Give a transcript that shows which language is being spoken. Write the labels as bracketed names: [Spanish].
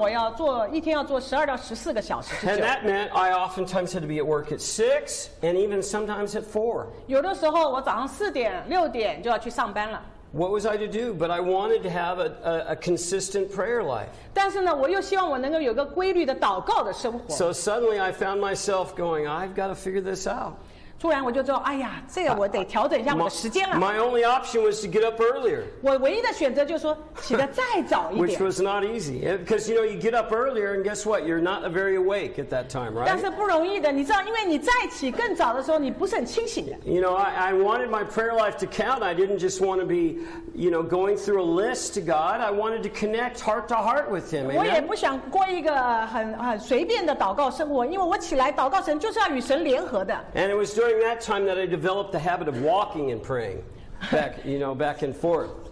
[Chinese] 在暑假我有一份工作,通常我要做,一天要做12到14个小时. [English] And that meant I oftentimes had to be at work at 6 and even sometimes at 4. [Chinese] 有的时候我早上4点,6点就要去上班了。 [English] What was I to do? But I wanted to have a consistent prayer life. [Chinese] 但是呢,我又希望我能够有个规律的祷告的生活。 [English] So suddenly I found myself going, I've got to figure this out. [Chinese] 突然我就说,哎呀,这个我得调整一下我的时间了。 [English] My only option was to get up earlier. [Chinese] 我唯一的选择就是说,起得再早一点。 [English] Which was not easy. Because, you know, you get up earlier and guess what? You're not very awake at that time, right? [Chinese] 但是不容易的,你知道,因为你再起更早的时候,你不是很清醒的。 [English] You know, I wanted my prayer life to count. I didn't just want to be, you know, going through a list to God. I wanted to connect heart to heart with Him. Amen? [Chinese] 我也不想过一个很随便的祷告生活,因为我起来祷告神就是要与神联合的。 [English] And it was during that time that I developed the habit of walking and praying back, you know, back and forth.